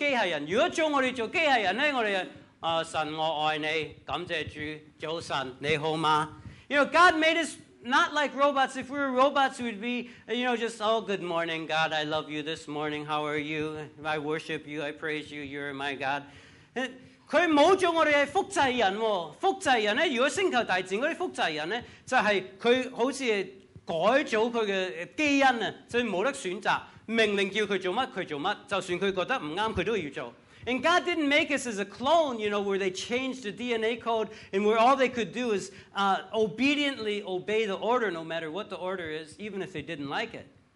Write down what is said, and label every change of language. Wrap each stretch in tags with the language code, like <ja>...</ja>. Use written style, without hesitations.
<zh>神沒有做我們做機械人,如果做我們做機械人呢,我們 神,我愛你,感謝主,早晨,你好嗎?</zh> <en>You know, God made us not like robots. If we were robots, we'd be, you know, just, oh, good morning, God, I love you this morning, how are you? I worship you, I praise you, you're my God.</en> <zh>他沒有做我們是複製人,複製人,如果星球大戰的複製人,就是他好像改造他的基因,所以沒得選擇,命令叫他做什麼,他做什麼,就算他覺得不對,他都要做。</zh> <en>And God didn't make us as a clone, you know, where they changed the DNA code and where all they could do is obediently obey the order, no matter what the order is, even if they didn't like it.</en>